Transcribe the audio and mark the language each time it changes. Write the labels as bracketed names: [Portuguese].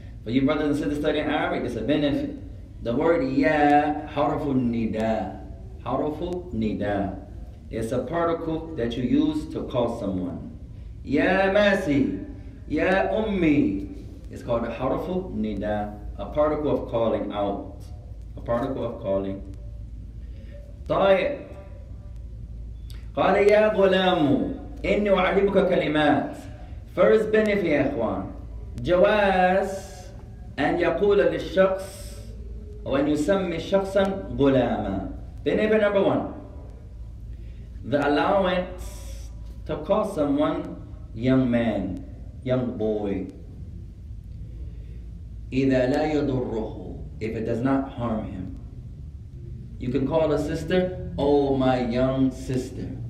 [English] For you brothers and sisters studying Arabic, it's a benefit. The word ya, harfu nida. Harfu nida. It's a particle that you use to call someone. [Arabic] Ya Masi, ya Ummi. [English] It's called harfu nida, a particle of calling out. A particle of calling. Tayyib. [Arabic] قال يا غلام إني أعلمك كلمات. [English] First benefit, [Arabic] يا إخوان. جواز أن يقول للشخص وأن يسمي شخصا غلاما. [English] Benefit number one. The allowance to call someone young man, young boy. [Arabic] إذا لا يضره. [English] If it does not harm him. You can call a sister, oh my young sister.